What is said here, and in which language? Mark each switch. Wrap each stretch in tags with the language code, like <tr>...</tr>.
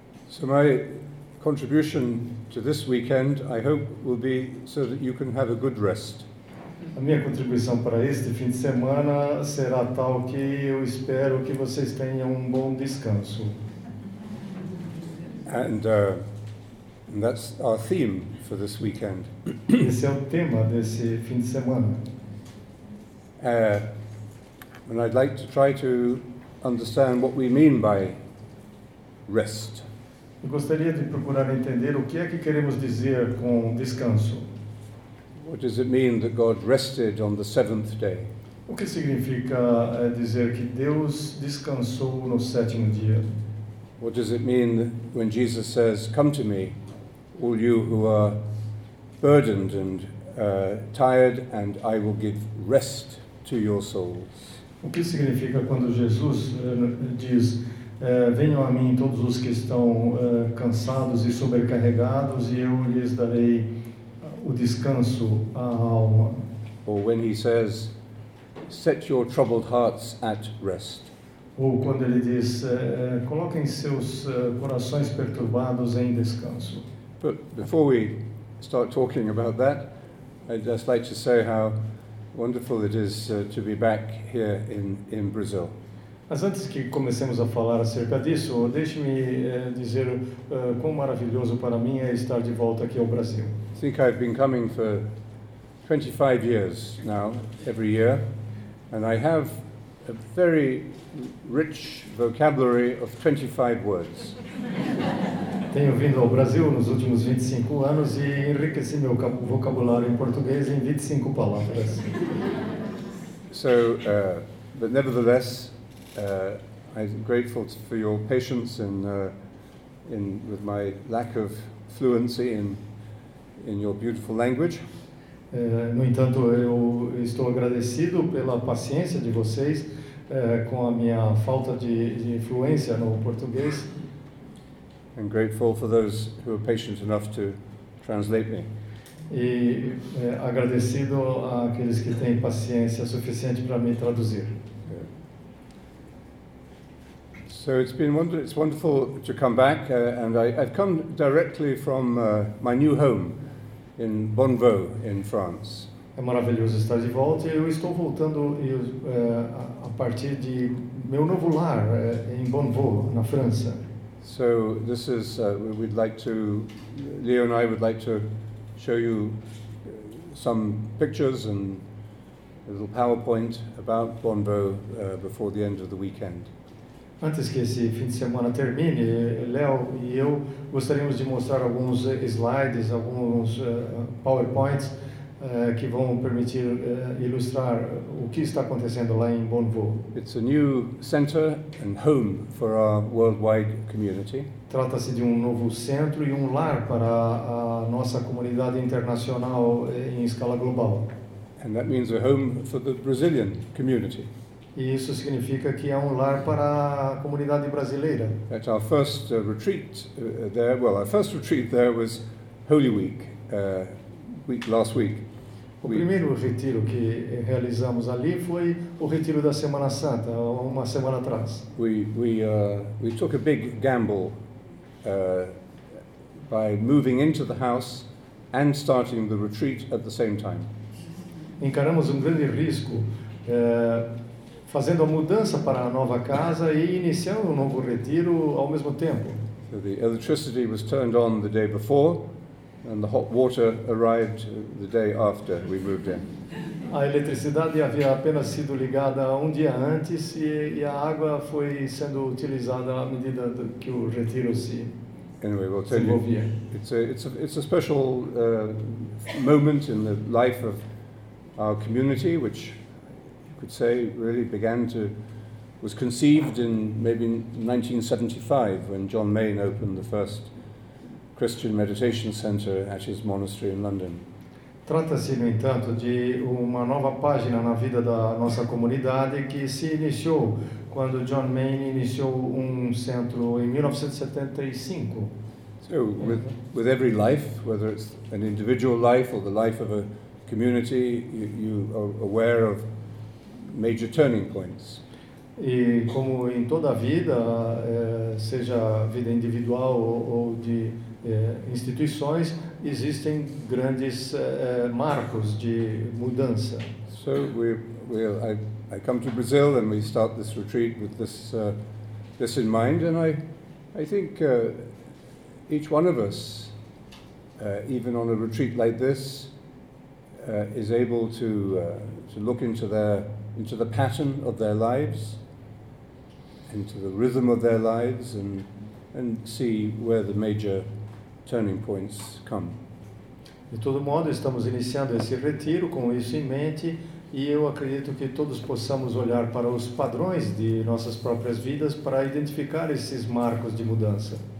<en>So my contribution to this weekend, I hope, will be so that you can have a good rest.</en> <pt>A minha contribuição para este fim de semana será tal que eu espero que vocês tenham um bom descanso.</pt> <en>And that's our theme for this weekend.</en> <pt>Esse é o tema desse fim de semana.</pt> <en>And I'd like to try to understand what we mean by rest.</en> <pt>Eu gostaria de procurar entender o que é que queremos dizer com descanso.</pt> <en>What does it mean that God rested on the seventh day?</en> <pt>O que significa dizer que Deus descansou no sétimo dia?</pt> <en>What does it mean when Jesus says, "Come to me, all you who are burdened and tired, and I will give rest to your souls"?</en> <pt>O que significa quando Jesus diz, venham a mim todos os que estão cansados e sobrecarregados e eu lhes darei o descanso à alma?</pt> <en>Or when he says, set your troubled hearts at rest.</en> <pt>Ou quando ele diz, coloquem seus corações perturbados em descanso.</pt> <en>But before we start talking about that, I'd just like to say how wonderful it is to be back here in Brazil.</en> <pt>Mas antes que comecemos a falar acerca disso, deixe-me dizer quão maravilhoso para mim é estar de volta aqui ao Brasil.</pt> <en>I think I've been coming for 25 years now, every year, and I have a very rich vocabulary of 25 words.</en> <pt>Tenho vindo ao Brasil nos últimos 25 anos e enriqueci meu vocabulário em português em 25 palavras.</pt> <en>So, but nevertheless, I'm grateful for your patience in with my lack of fluency in your beautiful language.</en> <pt>No entanto, eu estou agradecido pela paciência de vocês com a minha falta de fluência no português.</pt> <en>I'm grateful for those who are patient enough to translate me.</en> <pt>E agradecido àqueles que têm paciência suficiente para me traduzir.</pt> <en>So it's wonderful to come back, and I've come directly from my new home in Bonneveau, in France.</en> <pt>É maravilhoso estar de volta. Eu estou voltando a partir de meu novo lar em Bonneveau, na França.</pt> <en>So this is we'd like to, Leo and I would like to show you some pictures and a little PowerPoint about Bonneveau before the end of the weekend.</en> <pt>Antes que esse fim de semana termine, Léo e eu gostaríamos de mostrar alguns slides, alguns PowerPoints que vão permitir ilustrar o que está acontecendo lá em Bonneveau.</pt> <en>It's a new center and home for our worldwide community.</en> <pt>Trata-se de um novo centro e um lar para a nossa comunidade internacional em escala global.</pt> <en>And that means a home for the Brazilian community.</en> <pt>E isso significa que é um lar para a comunidade brasileira.</pt> <en>At our first retreat there, well, our first retreat there was Holy Week, last week.</en> <pt>Primeiro retiro que realizamos ali foi o retiro da Semana Santa, uma semana atrás.</pt> <en>We took a big gamble by moving into the house and starting the retreat at the same time.</en> <pt>Encaramos grande risco fazendo a mudança para a nova casa e iniciando novo retiro ao mesmo tempo.</pt> <en>So the electricity was turned on the day before, and the hot water arrived the day after we moved in.</en> <pt>A eletricidade havia apenas sido ligada dia antes e a água foi sendo utilizada à medida que o retiro se</pt> <en>Anyway, we'll tell you. It's a special moment in the life of our community, which could say really began to was conceived in maybe 1975 when John Mayne opened the first Christian Meditation Center at his monastery in London.</en> <pt>Trata-se, no entanto, de uma nova página na vida da nossa comunidade que se iniciou quando John Mayne iniciou centro em 1975.</pt> <en>So with every life, whether it's an individual life or the life of a community, you are aware of major turning points.</en> <pt>E como em toda a vida, seja vida individual ou de instituições, existem grandes marcos de mudança.</pt> <en>So I come to Brazil and we start this retreat with this this in mind, and I think each one of us, even on a retreat like this, is able to look into the pattern of their lives, into the rhythm of their lives, and see where the major turning points come.</en> <pt>De todo modo, estamos iniciando esse retiro com isso em mente, e eu acredito que todos possamos olhar para os padrões de nossas próprias vidas para identificar esses marcos de mudança.</pt>